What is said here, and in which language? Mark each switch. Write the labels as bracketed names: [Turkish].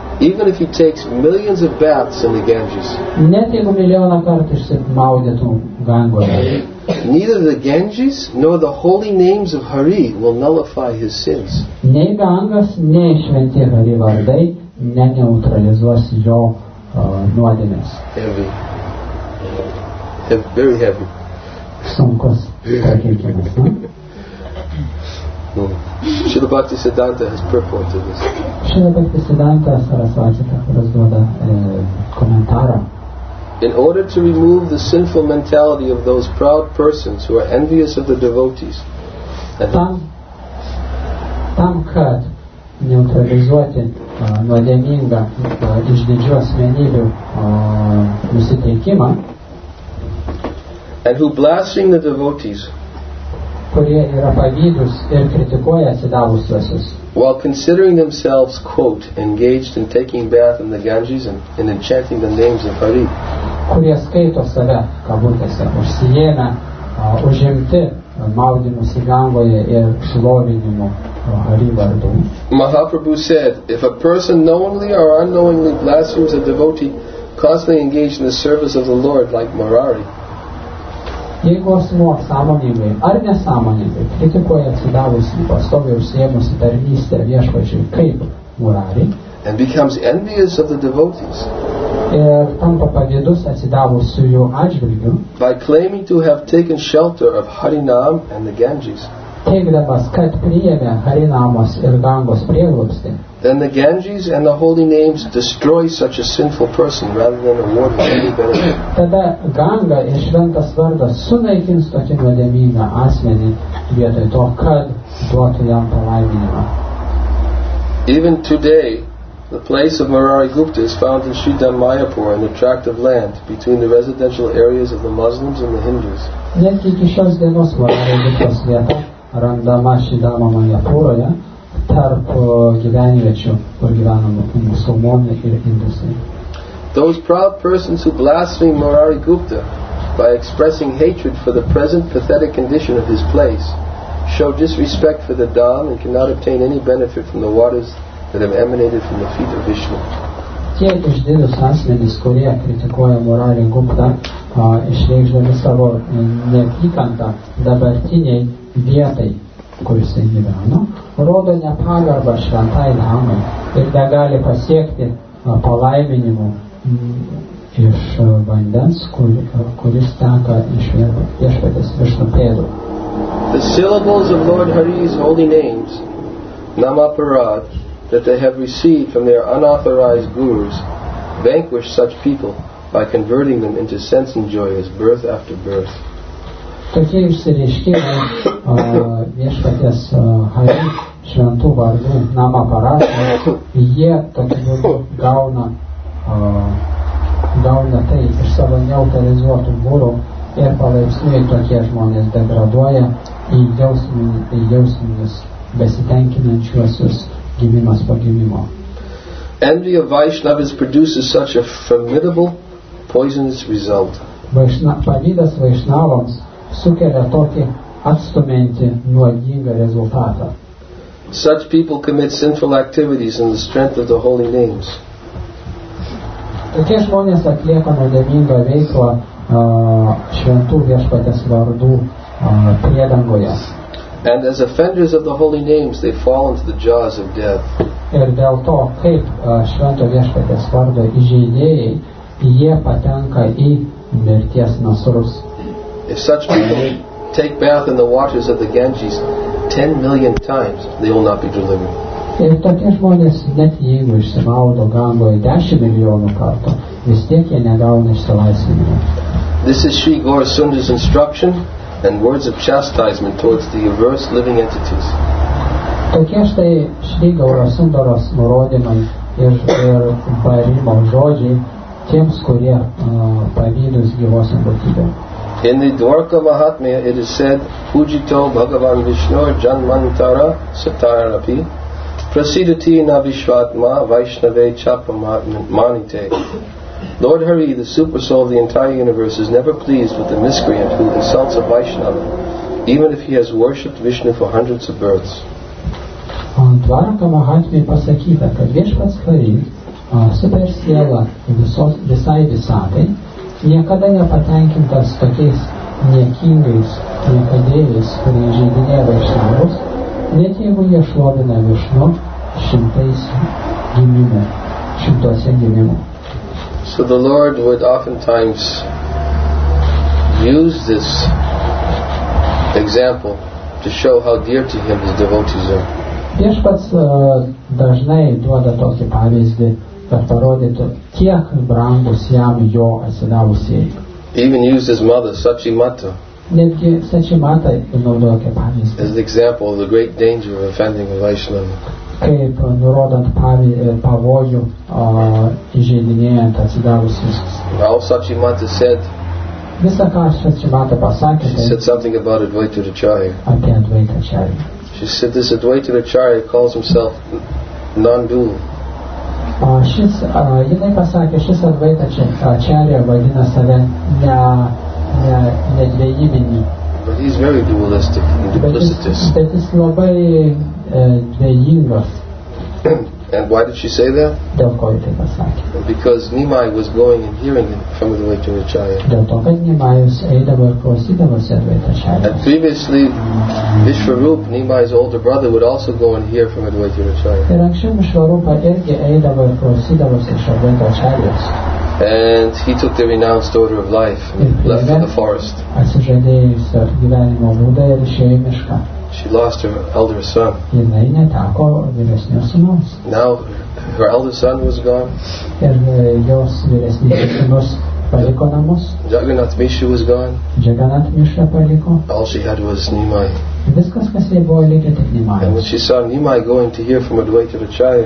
[English] Even if he takes millions of baths in the Ganges. [Lithuanian] Net jeigu milijoną kartų išsimaudytų Gangoje. [English] Neither the Ganges nor the holy names of Hari will nullify his sins. [Lithuanian] Nei Gangas, nei šventi Hari vardai neneutralizuos jo nuodėmes. [English] Heavy. Very heavy. [Lithuanian] Sunkus prakeikimas. [English] Srila Bhaktisiddhanta has purported this. Srila Bhaktisiddhanta Sarasvati has given commentary. In order to remove the sinful mentality of those proud persons who are envious of the devotees, [Lithuanian] tam kad neutralizuoti nuodėmingą iš didžių asmenybių nusiteikimą, [English] and who blaspheme the devotees, [Lithuanian] kurie yra pavydus ir kritikuoja atsidavusiuosius, [English] while considering themselves, quote, engaged in taking bath in the Ganges and in chanting the names of Hari, [Lithuanian] kurie skaito save, kabutėse, užsijėmę, užimti maudymusi Gangoje ir šlovinimu Hari vardu. [English] Mahaprabhu said, if a person knowingly or unknowingly blasphemes a devotee constantly engaged in the service of the Lord like Murari, [Lithuanian] jeigu asmuo sąmoningai ar nesąmoningai kritikuoja atsidavusį, pastoviai užsiėmusi tarnystę viešpačiui kaip Murari, [English] and becomes envious of the devotees, [Lithuanian] ir tampa pavydus atsidavusiųjų atžvilgiu, [English] by claiming to have taken shelter of Harinam and the Ganges, [Lithuanian] teigdamas, kad priėmė Harinamos ir Gangos prieglobstį, [English] then the Ganges and the holy names destroy such a sinful person rather than award him any benefit. [Lithuanian] Tada Ganga ir šventas vardas sunaikins tokį nuodėmingą asmenį vietoj to, kad duotų jam palaiminimą. [English] Even today, the place of Murari Gupta is found in Shridham Mayapur, an attractive land between the residential areas of the Muslims and the Hindus. [Lithuanian] Netgi iki šios dienos Murari Guptos vieta randama Shridham Mayapuroje, tarp gyvenviečių, kur gyvenama musulmonė ir hindusai. [English] Those proud persons who blaspheme Murari Gupta by expressing hatred for the present pathetic condition of his place show disrespect for the Dham and cannot obtain any benefit from the waters that have emanated from the feet of Vishnu. [Lithuanian] Tie išdidus asmenys, kurie kritikuoja Murari Gupta, išreikšdami savo neapykantą dabartiniai vietai, kuris jis gyveno, rodo nepagarbą šventai namai ir negali pasiekti palaiminimų iš vandens, kuris teka iš viešpatės Vishnu pėdų. [English] The syllables of Lord Hari's holy names, Namaparad, that they have received from their unauthorized gurus, vanquish such people by converting them into sense enjoyers, birth after birth. [Lithuanian] Tokie išsireiškimai viešpaties Hari šventų vardų namą parašo, jie tokiu būdu gauna tai iš savo neutralizuotų būrų ir palaipsniui tokie žmonės degraduoja į jausminius besitenkinančiuosius gimimas po gimimo. [English] Envy of Vaishnavas produces such a formidable poisonous result. [Lithuanian] Pavydas Vaishnavams sukelia tokį atstumenti nuodingą rezultatą. [English] Such people commit sinful activities in the strength of the holy names. [Lithuanian] Tokie žmonės atlieka nuodėmingą veiklą šventų viešpatės vardų priedangoje. [English] And as offenders of the holy names, they fall into the jaws of death. [Lithuanian] Ir dėl to, kaip švento viešpatės vardo įžeidėjai, jie patenka į mirties nasrus. [English] If such people take bath in the waters of the Ganges 10 million times, they will not be delivered. [Lithuanian] Ir tokie žmonės, net jeigu išsimaudo Gangoje 10 milijonų kartų, vis tiek jie negauna išsilaisvinimo. [English] This is Sri Gaurasundara's instruction and words of chastisement towards the averse living entities. [Lithuanian] Tokie štai Sri Gaurasundaros nurodymai ir barimo žodžiai tiems, kurie pavydus gyvosiam būtybėm. [English] In the Dwarka Mahatmya it is said, [Sanskrit] Pujito Bhagavan Vishnu Janmantara Satarapi Prasidati Navishvatma Vaishnave Chapamanite. [English] Lord Hari, the Supersoul of the entire universe, is never pleased with the miscreant who insults a Vaishnava even if he has worshipped Vishnu for hundreds of births. [Lithuanian] Dvaraka Mahatmya pasakyta, kad Viešpats Hari, super siela visai visatai, niekada nepatenkintas tokiais niekingais niekadėliais, kurie žaidinė vaišnavus, net jeigu jie šlovina Vishnu šimtais gimimų, šimtose gimimų. [English] So the Lord would oftentimes use this example to show how dear to him his devotees are. [Lithuanian] Viešpats dažnai duoda tokį pavyzdį, kad parodytų, kiek brangus jam jo atsidavusieji. [English] Even used his mother, Sachimata. [Lithuanian] Netgi Sachimata naudoja kaip pavyzdį. [English] As the example of the great danger of offending a Vaishnava. [Lithuanian] Kaip nurodant pavojų įžeidinėjant atsidavusius. [English] All Sachimata said. [Lithuanian] Visa ką Sachimata pasakė. [English] She said something about Advaita Acharya. [Lithuanian] Apie Advaita Acharya. [English] She said this Advaita Acharya calls himself non-dual. [Lithuanian] Jinai pasakė, šis Advaita Acharya vadina save nedvejybinį. [English] But he's very dualistic and duplicitous. [Lithuanian] Bet jis labai dvejingas. [English] And why did she say that? [Lithuanian] Dėl ko jį tai pasakė. [English] Because Nimai was going and hearing it from Advaita Acharya. [Lithuanian] Dėl to, kad Nimaius eidavo ir klausydavosi Advaita Acharya. [English] And previously, Vishwarup, Nimai's older brother, would also go and hear from Advaita Acharya. [Lithuanian] Ir anksčiau Vishwarupa irgi eidavo ir klausydavosi iš Advaita Acharyos. [English] And he took the renounced order of life and left in the forest. [Lithuanian] Atsižadėjusio gyvenimo būdą ir išėjo į mišką. [English] She lost her elder son. [Lithuanian] Jinai neteko vyresnio sūnaus. [English] Now her elder son was gone. [Lithuanian] Ir jos vyresnis sūnus paliko namus. [English] Jagannath Mishra was gone. [Lithuanian] Jagannath Mishra paliko. [English] All she had was Nimai. [Lithuanian] Viskas, kas jai buvo likę, tik Nimai. [English] And when she saw Nimai going to hear from Advaita Acharya,